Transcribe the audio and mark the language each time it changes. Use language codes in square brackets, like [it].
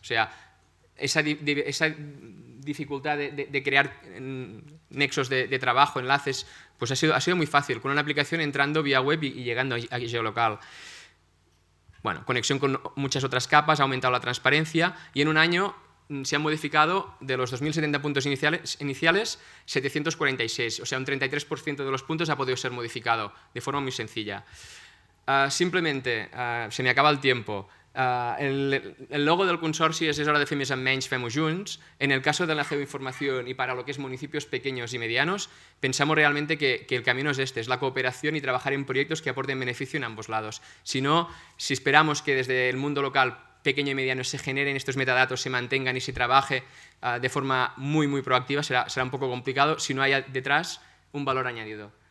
[es] O sea, esa dificultad de crear nexos de trabajo, enlaces, pues ha sido muy fácil, con una aplicación entrando vía web y llegando a Geolocal. Bueno, conexión con muchas otras capas, ha aumentado la transparencia y en un año se han modificado de los 2.070 puntos iniciales 746, o sea, un 33% de los puntos ha podido ser modificado de forma muy sencilla. Simplemente, se me acaba el tiempo, el logo del [ca] consorci es hora de fer més amb menys, fem-ho junts. [es] En el caso de la geoinformación y para lo que es municipios pequeños y medianos, pensamos realmente que el camino es este, es la cooperación y trabajar en proyectos que aporten beneficio en ambos lados. Si no, si esperamos que desde el mundo local, pequeño y mediano, se generen estos metadatos, se mantengan y se trabaje de forma muy, muy proactiva, será un poco complicado si no hay detrás un valor añadido.